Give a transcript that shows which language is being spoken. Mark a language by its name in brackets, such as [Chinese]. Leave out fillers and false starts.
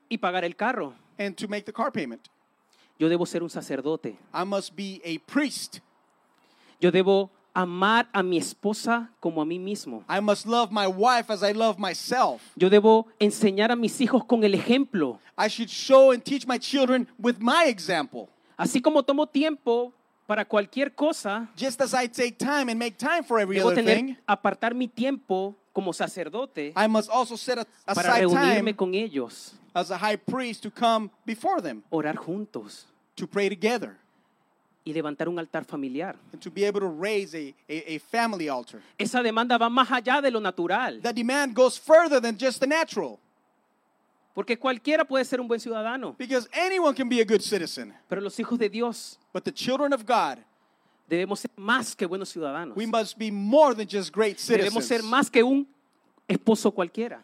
[Spanish] Pagar, y pagar el carro. [English] And to make the car payment. [Spanish] Yo debo ser un sacerdote. [English] I must be a priest. [Spanish] Yo debo amar a mi esposa como a mí mismo. [English] I must love my wife as I love myself. [Spanish] Yo debo enseñar a mis hijos con el ejemplo. [English] I should show and teach my children with my example. [Spanish] Así como tomo tiempo para cualquier cosa. [English] Just as I take time and make time for every other thing. [Spanish] Debo tener apartar mi tiempo como sacerdote. [English] I must also set aside [Spanish] para reunirme con ellos. [English] As a high priest to come before them. [Spanish] Orar juntos. [English] To pray together. [Spanish] Y levantar un altar familiar. [English] And to be able to raise a family altar. [Spanish] Esa demanda va más allá de lo natural. [English] That demand goes further than just the natural. [Spanish] Porque cualquiera puede ser un buen ciudadano. [English] Because anyone can be a good citizen. [Spanish] Pero los hijos de Dios. [English] But the children of God. [Spanish] Debemos ser más que buenos ciudadanos. [English] We must be more than just great citizens. [Spanish] Debemos ser más que un esposo cualquiera.